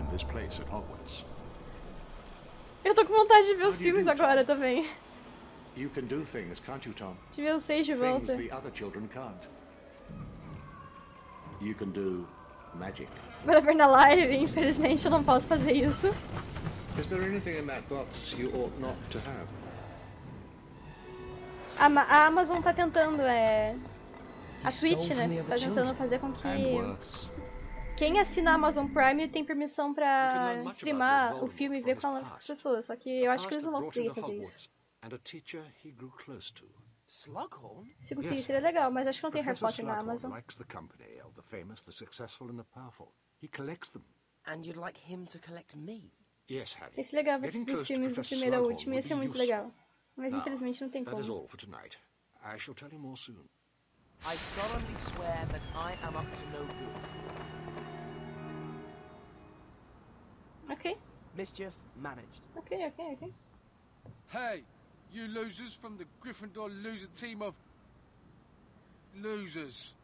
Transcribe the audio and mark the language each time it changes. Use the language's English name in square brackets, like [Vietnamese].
[English] This place at Hogwarts. [Portuguese] Eu tô com vontade de ver os filmes agora também. [English] You can do things, can't you, Tom? [Portuguese] De ver o Sage [English] volta. Things the other children can't. You can do magic. [Portuguese] Para ver na live, infelizmente eu não posso fazer isso. [English] Is there anything in that box you ought not to have? [Portuguese] A Amazon tá tentando, a Twitch, né? Tá tentando fazer com que quem assina a Amazon Prime tem permissão pra streamar o filme e ver com as pessoas. Só que eu acho que eles não vão conseguir fazer isso. [English] And a teacher he grew close to. [Portuguese] Slughorn? Se conseguir, seria legal, mas acho que não tem Harry Potter na Amazon. [English] Likes the company of the famous, the successful and the powerful. He collects them. And you'd like him to collect me? Yes, Harry. [Portuguese] Esse legal vai ter os filmes do primeiro ao último, ia ser muito legal. Mas infelizmente não tem como. [English] That is all for tonight. I shall tell you more soon. I solemnly swear that I am up to no good. Okay. Mischief managed. Okay, okay, okay. Hey, you losers from the Gryffindor loser team of losers.